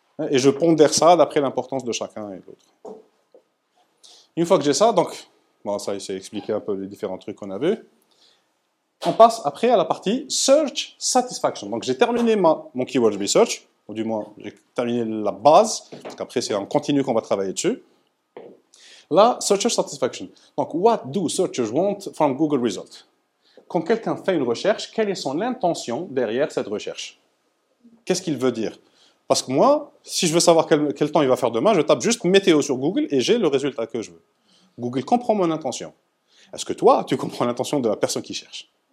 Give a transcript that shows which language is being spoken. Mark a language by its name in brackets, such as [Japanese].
[French] Et je pondère ça d'après l'importance de chacun et de l'autre. Une fois que j'ai ça, donc, bon, ça c'est expliqué un peu les différents trucs qu'on a vus, on passe après à la partie search satisfaction. Donc j'ai terminé mon keyword research, ou du moins j'ai terminé la base, donc après c'est en continu qu'on va travailler dessus. Là, searcher satisfaction. Donc [English] what do searchers want from Google results? [French] Quand quelqu'un fait une recherche, quelle est son intention derrière cette recherche? Qu'est-ce qu'il veut dire? Parce que moi, si je veux savoir quel temps il va faire demain, je tape juste météo sur Google et j'ai le résultat que je veux. Google comprend mon intention. Est-ce que toi, tu comprends l'intention de la personne qui cherche?